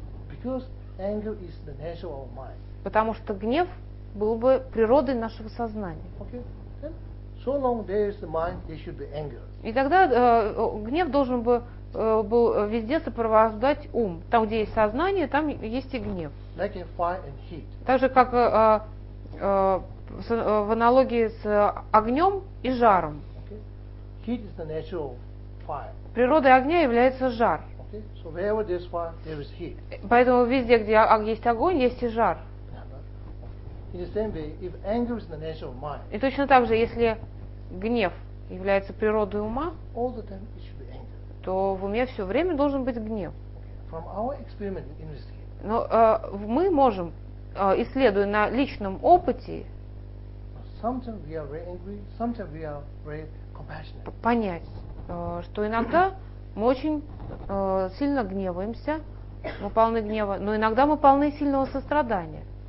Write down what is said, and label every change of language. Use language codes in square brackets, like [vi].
[en] Because anger is the nature of our mind. [ru] Потому что гнев был бы природой нашего сознания. [en] Okay. So long there is the mind, there should be anger. [ru] И тогда гнев должен был везде сопровождать ум. Там, где есть сознание, там есть и гнев. [en] Like a fire and heat. [ru] Так же, как в аналогии с огнем и жаром. [en] Okay. Heat is the natural fire. [ru] Природой огня является жар. [en] Okay. So wherever there is fire, there is heat. [ru] Поэтому везде, где есть огонь, есть и жар. [en] In the same way, if anger is the nature of mind. [ru] И точно так же, если гнев является природой ума, [en] all the time it should be anger. [ru] То в уме все время должен быть гнев. [en] From our experiment in investigation. [ru] Но мы можем, исследуя на личном опыте, [en] sometimes we are very angry, sometimes we are very compassionate. [ru] Понять, что иногда мы очень сильно гневаемся, мы полны гнева, но иногда мы полны сильного сострадания.